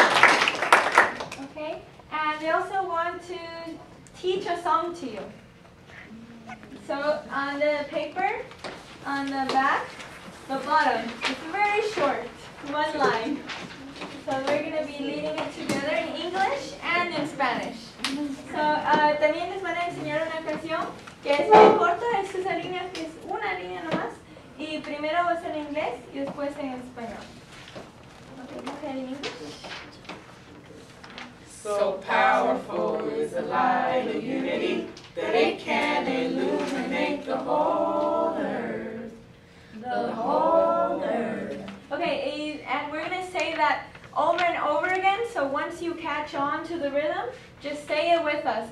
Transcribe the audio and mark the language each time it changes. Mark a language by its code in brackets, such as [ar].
[en] Okay, and they also want to teach a song to you. So on the paper, on the back, the bottom, it's very short, one line. So we're going to be leading it together in English and in Spanish. [es] So, también les van a enseñar una canción que es muy corta, es esa línea, que es una línea nomás. Y primero va a ser en inglés y después en español. [en] So powerful is the light of unity that it can illuminate the whole earth. The whole earth. Okay, and we're going to say that over and over again, so once you catch on to the rhythm, just say it with us.